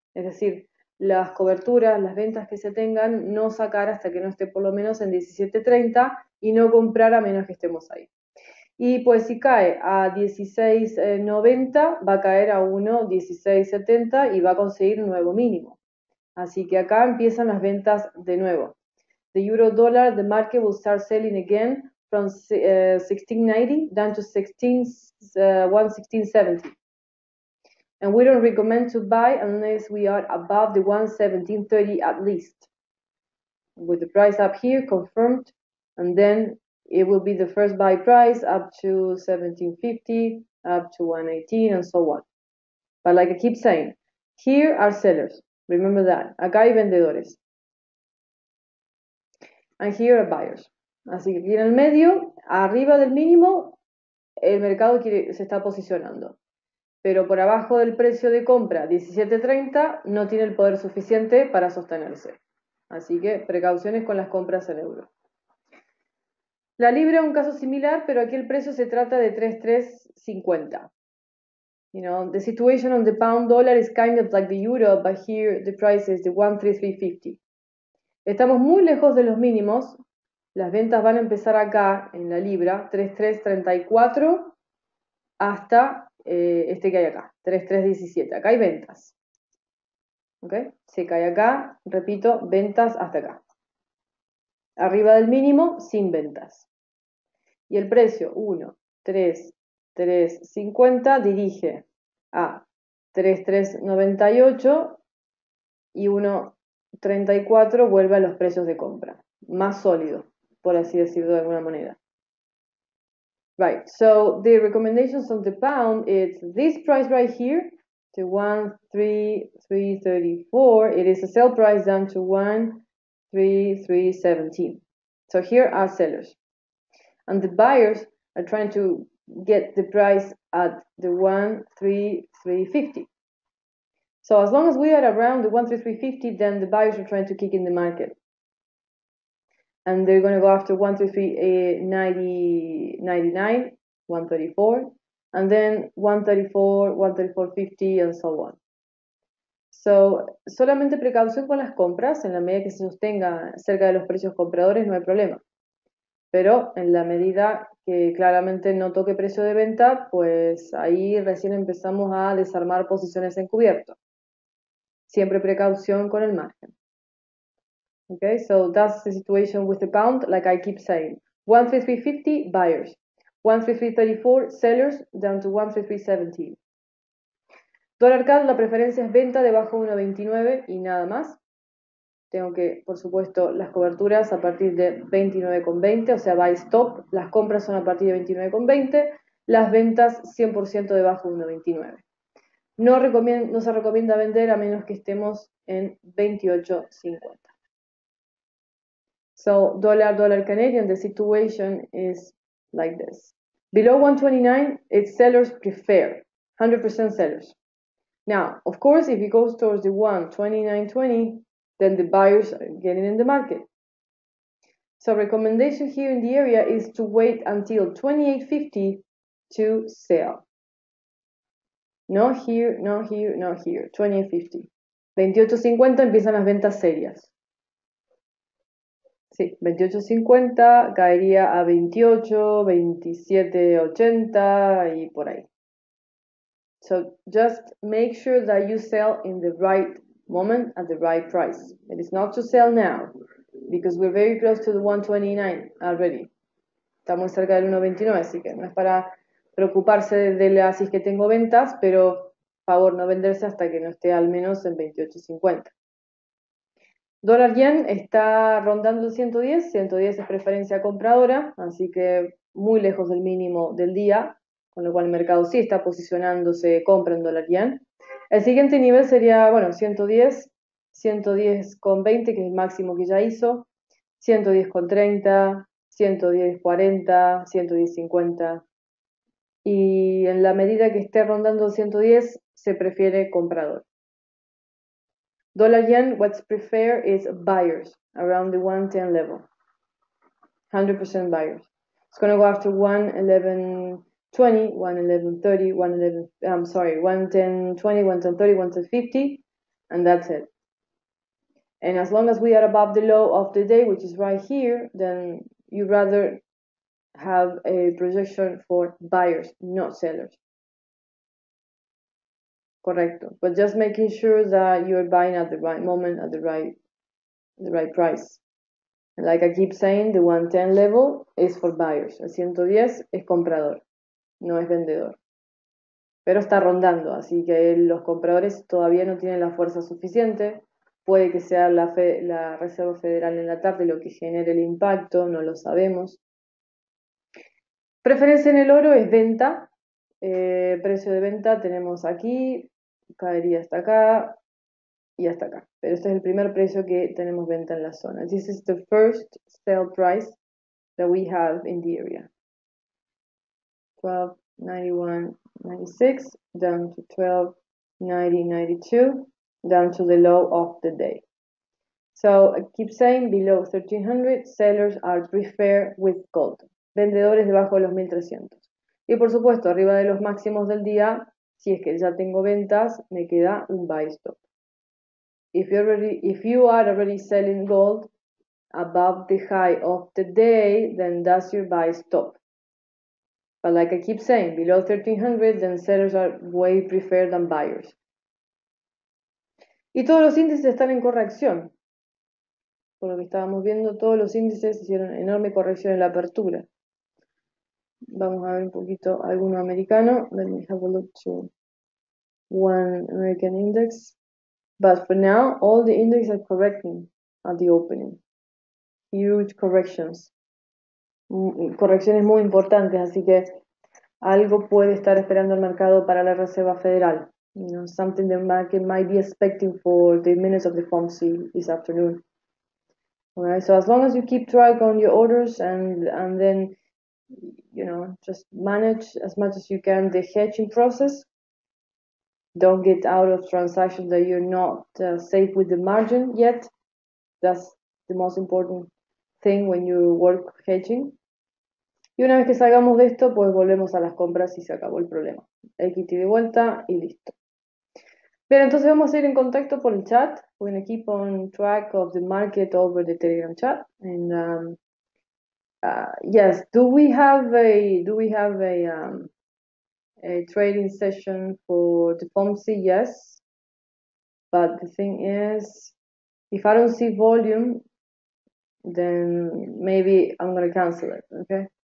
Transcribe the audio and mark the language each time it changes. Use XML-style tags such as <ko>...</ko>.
<es>Es decir, las coberturas, las ventas que se tengan, no sacar hasta que no esté por lo menos en 17.30 y no comprar a menos que estemos ahí. Y pues si cae a 16.90, va a caer a 1.16.70 y va a conseguir un nuevo mínimo. Así que acá empiezan las ventas de nuevo.</es> <en>The euro dollar, the market will start selling again from 16.90 down to 1.16.70. And we don't recommend to buy unless we are above the 1.17.30 at least. With the price up here confirmed, and then it will be the first buy price up to 1.17.50, up to 1.18, and so on. But like I keep saying, here are sellers. Remember that.</en> <es>Acá hay vendedores.</es> <en>And here are buyers.</en> <es>Así que aquí en el medio, arriba del mínimo, el mercado quiere, se está posicionando. Pero por abajo del precio de compra, 17.30, no tiene el poder suficiente para sostenerse. Así que precauciones con las compras en euro. La libra es un caso similar, pero aquí el precio se trata de 3.350.</es> <en>You know, the situation on the pound dollar is kind of like the euro, but here the price is the 1.3350.</en> <es>Estamos muy lejos de los mínimos. Las ventas van a empezar acá en la libra, 3.334 hasta este que hay acá, 3.317. Acá hay ventas. ¿Okay? Se cae acá, repito, ventas hasta acá. Arriba del mínimo, sin ventas. Y el precio 1, 3, 3, 50 dirige a 3, 3, 98 y 1, 34 vuelve a los precios de compra. Más sólido, por así decirlo de alguna manera.</es> <en>Right, so the recommendations on the pound is this price right here, the 1.3334. It is a sell price down to 1.3317. So here are sellers. And the buyers are trying to get the price at the 1.3350. So as long as we are around the 1.3350, then the buyers are trying to kick in the market. And they're going to go after 1.3399, 1.34, and then 1.34, 1.3450, and so on.</en> <es>So, solamente precaución con las compras, en la medida que se sostenga cerca de los precios compradores, no hay problema. Pero en la medida que claramente no toque precio de venta, pues ahí recién empezamos a desarmar posiciones encubierto. Siempre precaución con el margen.</es> <en>Okay, so that's the situation with the pound, like I keep saying. 1.3350, buyers. 1.3334, sellers, down to 1.3317.</en> <es>Dólar CAD, la preferencia es venta debajo de 1.29 y nada más. Tengo que, por supuesto, las coberturas a partir de 29.20, o sea, buy stop. Las compras son a partir de 29.20. Las ventas 100% debajo de 1.29. No se recomienda vender a menos que estemos en 28.50.</es> <en>So, dollar, dollar Canadian, the situation is like this. Below 1.29, it's sellers prefer, 100% sellers. Now, of course, if it goes towards the 1.2920, then the buyers are getting in the market. So, recommendation here in the area is to wait until 28.50 to sell. No here, no here, no here, 28.50. 28.50</en> <es>empiezan las ventas serias. Sí, 28.50 caería a 28, 27.80 y por ahí.</es> <en>So just make sure that you sell in the right moment at the right price. It is not to sell now because we're very close to the 1.29 already.</en> <es>Estamos cerca del 1.29, así que no es para preocuparse de las si es que tengo ventas, pero por favor no venderse hasta que no esté al menos en 28.50. Dólar yen está rondando el 110. 110 es preferencia compradora, así que muy lejos del mínimo del día, con lo cual el mercado sí está posicionándose compra en dólar yen. El siguiente nivel sería, bueno, 110, 110 con 20, que es el máximo que ya hizo, 110 con 30, 110, 40, 110, 50. Y en la medida que esté rondando 110, se prefiere comprador.</es> <en>Dollar yen, what's preferred is buyers, around the 110 level. 100% buyers. It's going to go after 111.20, 111.30, 111, I'm sorry, 110.20, 110.30, 110.50, and that's it. And as long as we are above the low of the day, which is right here, then you'd rather have a projection for buyers, not sellers.</en> <es>Correcto.</es> <en>But just making sure that you're buying at the right moment, at the right price. Like I keep saying, the 110 level is for buyers.</en> <es>El 110 es comprador, no es vendedor. Pero está rondando, así que los compradores todavía no tienen la fuerza suficiente. Puede que sea la Reserva Federal en la tarde lo que genere el impacto, no lo sabemos. Preferencia en el oro es venta. Precio de venta tenemos aquí, caería hasta acá y hasta acá. Pero este es el primer precio que tenemos venta en la zona.</es> <en>This is the first sale price that we have in the area. 12.91.96 down to 12.90.92 down to the low of the day. So, I keep saying below 1300, sellers are preferred with gold.</en> <es>Vendedores debajo de los 1300. Y por supuesto, arriba de los máximos del día, si es que ya tengo ventas, me queda un buy stop.</es> <en>If you are already selling gold above the high of the day, then that's your buy stop. But like I keep saying, below 1300, then sellers are way preferred than buyers.</en> <es>Y todos los índices están en corrección. Por lo que estábamos viendo, todos los índices hicieron enorme corrección en la apertura. Vamos a ver un poquito alguno americano.</es> <en>Let me have a look to one American index. But for now, all the indices are correcting at the opening. Huge corrections.</en> <es>Correcciones muy importantes, así que algo puede estar esperando el mercado para la Reserva Federal.</es> <en>You know, something the market might be expecting for the minutes of the FOMC this afternoon. All right, so as long as you keep track on your orders and then you know just manage as much as you can the hedging process. Don't get out of transactions that you're not safe with the margin yet. That's the most important thing when you work hedging.</en> <es>Y una vez que salgamos de esto, pues volvemos a las compras y se acabó el problema. Equity de vuelta y listo. Bien, entonces vamos a ir en contacto por el chat.</es> <en>We're going to keep on track of the market over the Telegram chat. And yes, do we have a trading session for the FOMC? Yes. But the thing is, if I don't see volume, then maybe I'm going to cancel it, okay?</en>